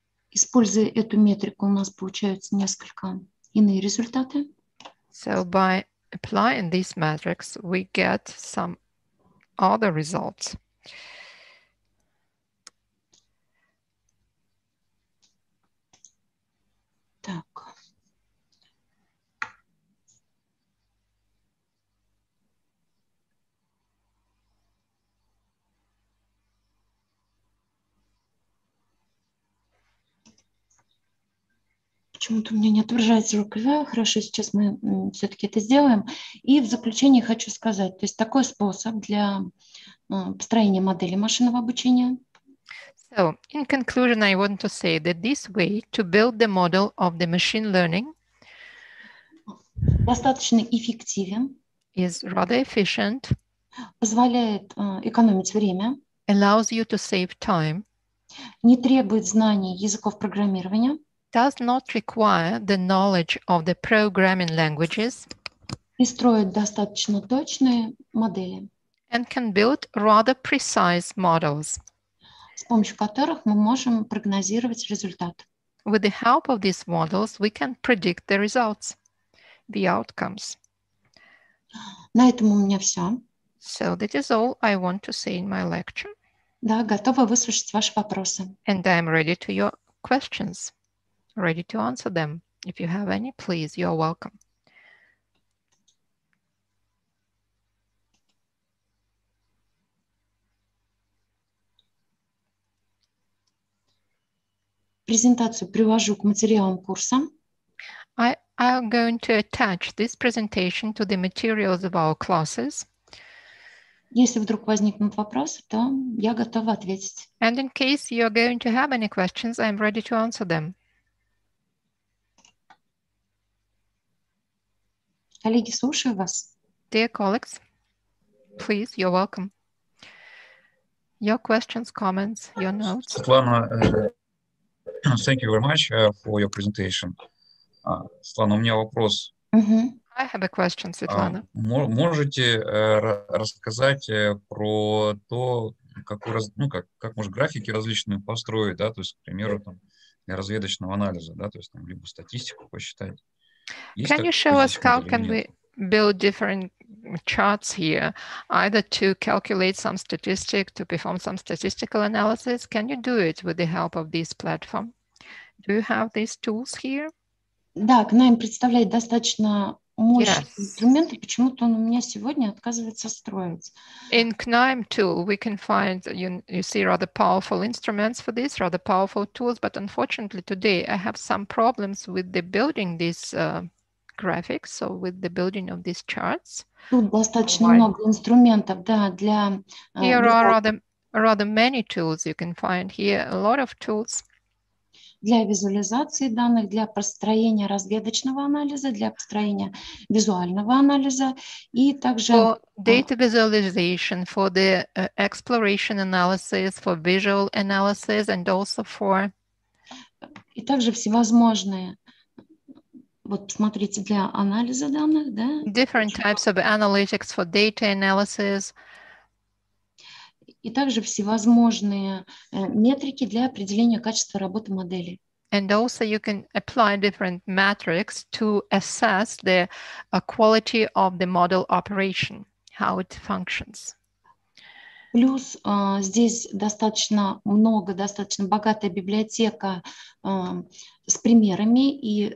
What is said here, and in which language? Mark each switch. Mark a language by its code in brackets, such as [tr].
[ru] Используя эту метрику, у нас получаются несколько иные результаты. [en] So by applying this matrix, we get some other results. [ru] Так. Почему-то у меня не отображается рукава. Хорошо, сейчас мы все-таки это сделаем. И в заключение хочу сказать, то есть такой способ для построения модели машинного обучения. [en] So, in conclusion, I want to say that this way to build the model of the machine learning [ru] достаточно эффективен. [en] Is rather efficient. [ru] Позволяет экономить время. [en] Allows you to save time. [ru] Не требует знаний языков программирования. [en] does not require the knowledge of the programming languages [ru] и строит достаточно точные модели [en] and can build rather precise models, [ru] с помощью которых мы можем прогнозировать результат. [en] With the help of these models, we can predict the results, the outcomes. [ru] На этом у меня все. [en] So that is all I want to say in my lecture. [ru] Да, готова выслушать ваши вопросы. [en] And I'm ready to your questions. Ready to answer them. If you have any, please, you're welcome. [ru] Презентацию привожу к материалам курса. [en] I'm going to attach this presentation to the materials of our classes. [ru] Если вдруг возникнут вопросы, то я готова ответить. [en] And in case you're going to have any questions, I'm ready to answer them. [ru] Коллеги, слушаю вас. [en] Dear colleagues, please, you're welcome. Your questions, comments, your notes. Светлана, thank you very much for your presentation. [ru] Светлана, у меня вопрос. [en] I have a question, Светлана. [ru] Можете рассказать про то, как может графики различные построить, да, то есть, к примеру, там, для разведочного анализа, да, то есть, там, либо статистику посчитать. [en] Can you show us how can we build different charts here, either to calculate some statistic, to perform some statistical analysis? Can you do it with the help of this platform? Do you have these tools here? [ru] Да, к нам представляет достаточно мощный инструмент, и почему-то он у меня сегодня отказывается строить. [en] In KNIME tool, we can find, you see, rather powerful instruments for this, rather powerful tools, but unfortunately today I have some problems with the building these graphics, so with the building of these charts. [ru] Тут достаточно много инструментов, да, для... [en] Here are rather many tools you can find here, a lot of tools. [ru] Для визуализации данных, для построения разведочного анализа, для построения визуального анализа и также... [en] For data visualization, for the exploration analysis, for visual analysis and also for... [ru] И также всевозможные, вот смотрите, для анализа данных, да? [en] Different types of analytics for data analysis. [ru] И также всевозможные метрики для определения качества работы модели. [en] And also you can apply different metrics to assess the quality of the model operation, how it functions. [ru] Плюс здесь достаточно много, достаточно богатая библиотека с примерами и...